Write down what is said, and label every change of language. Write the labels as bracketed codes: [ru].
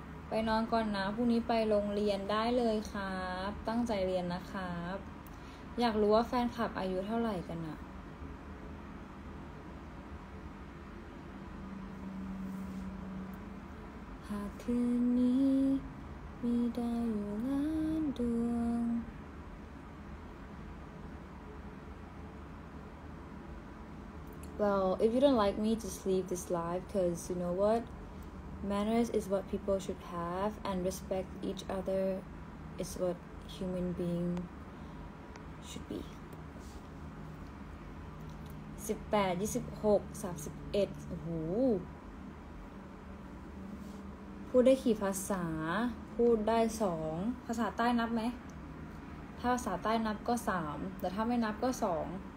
[th] ไปนอนก่อนนะพรุ่งนี้ไปโรงเรียนได้เลยครับตั้งใจเรียนนะครับอยากรู้ว่าแฟนคลับอายุเท่าไหร่กันอะหากคืนนี้มีดาวอยู่ล้านดวง [en] Well, if you don't like me, just leave this life, because you know what? Manners is what people should have, and respect each other is what human being should be. [th] 18, 26, 31, โอ้โห พูดได้กี่ภาษา พูดได้2 ภาษาใต้นับไหม ถ้าภาษาใต้นับก็3 แต่ถ้าไม่นับก็212 31